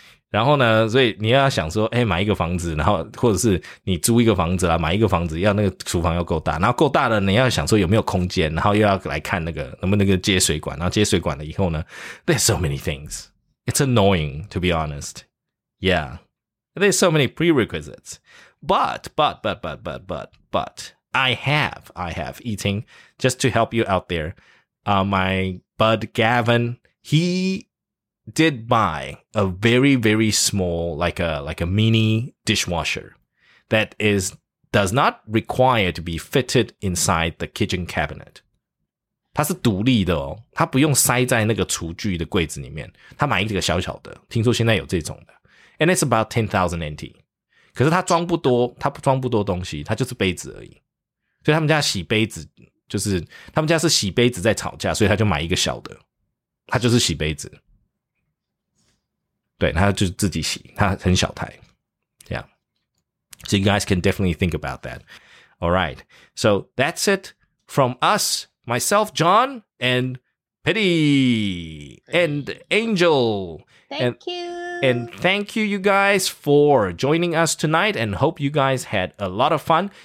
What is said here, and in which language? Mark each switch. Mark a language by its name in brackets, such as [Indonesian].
[Chinese] 然后呢，所以你要想说，哎，买一个房子，然后或者是你租一个房子啦，买一个房子要那个厨房要够大，然后够大了，你要想说有没有空间，然后又要来看那个能不能接水管，然后接水管了以后呢 ， [English] there's so many things. It's annoying to be honest. Yeah, there's so many prerequisites. But I have eating just to help you out there. My bud Gavin, he did buy a very, very small, like a mini dishwasher that does not require to be fitted inside the kitchen cabinet. [Chinese] 它是独立的哦，它不用塞在那个厨具的柜子里面。它买一个小小的，听说现在有这种的。 [English] And it's about 10,000 NT. [Chinese] 可是它装不多，它不装不多东西，它就是杯子而已。所以他们家洗杯子，就是他们家是洗杯子在吵架，所以他就买一个小的，他就是洗杯子。对，他就自己洗，他很小台。 [English] Yeah. So you guys can definitely think about that. All right. So that's it from us. Myself, John, and Petty, and Angel. Thank you. And thank you, you guys, for joining us tonight, and hope you guys had a lot of fun.